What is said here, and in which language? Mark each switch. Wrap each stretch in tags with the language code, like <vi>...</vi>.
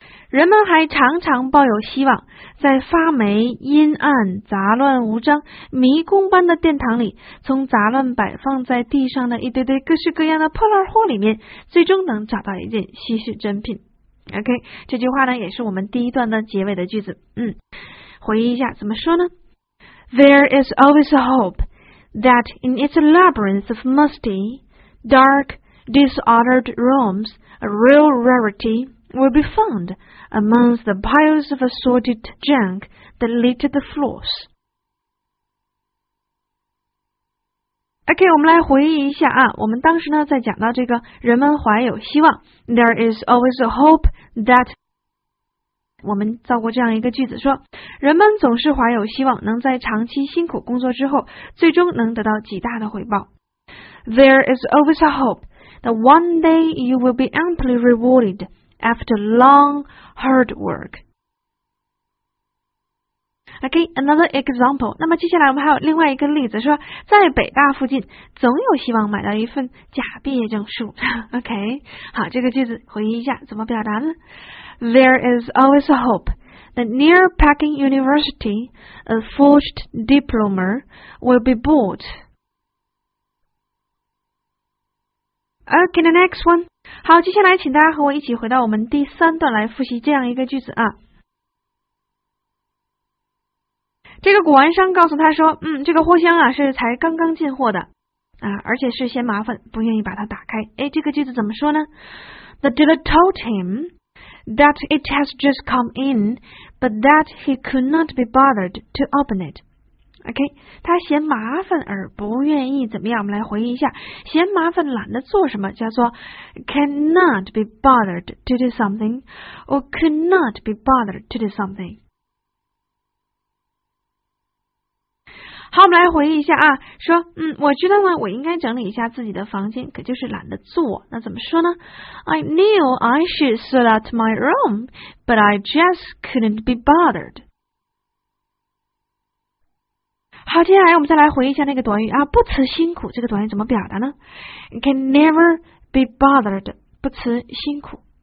<zh>人们还常常抱有希望，在发霉、阴暗、杂乱无章、迷宫般的殿堂里，从杂乱摆放在地上的一堆堆各式各样的破烂货里面，最终能找到一件稀世珍品。 OK，这句话呢，也是我们第一段的结尾的句子。回忆一下怎么说呢？</zh> <en>There is always a hope that in its labyrinth of musty, dark, disordered rooms, a real rarity will be found amongst the piles of assorted junk that litter the floors.</en> <zh>OK，我们来回忆一下啊，我们当时呢在讲到这个人们怀有希望，</zh> <en>There is always a hope that。</en> <zh>我们造过这样一个句子说，人们总是怀有希望，能在长期辛苦工作之后，最终能得到极大的回报。</zh> <en>There is always a hope that one day you will be amply rewarded after long hard work. Okay, another example.</en> <zh>那么接下来我们还有另外一个例子说，在北大附近总有希望买到一份假毕业证书。 Okay, 好，这个句子回忆一下怎么表达呢？</zh> <en>There is always a hope that near Peking University, a forged diploma will be bought. Okay, the next one.</en> <zh>好，接下来请大家和我一起回到我们第三段来复习这样一个句子啊。这个古玩商告诉他说，这个货箱啊是才刚刚进货的啊，而且是嫌麻烦，不愿意把它打开。哎，这个句子怎么说呢？</zh> <en>The dealer told him. That it has just come in, but that he could not be bothered to open it.</en> <zh>Okay, 他嫌麻烦而不愿意怎么样？我们来回忆一下，嫌麻烦懒得做什么，叫做</zh> <en>cannot be bothered to do something, or could not be bothered to do something.</en> <zh>好，我们来回忆一下啊，说，我知道呢，我应该整理一下自己的房间，可就是懒得做。那怎么说呢？</zh> <en>I knew I should sort out my room, but I just couldn't be bothered.</en> <zh>好，接下来我们再来回忆一下那个短语啊，不辞辛苦，这个短语怎么表达呢？</zh> <en>Can never be bothered,</en> <zh>不辞辛苦。</zh>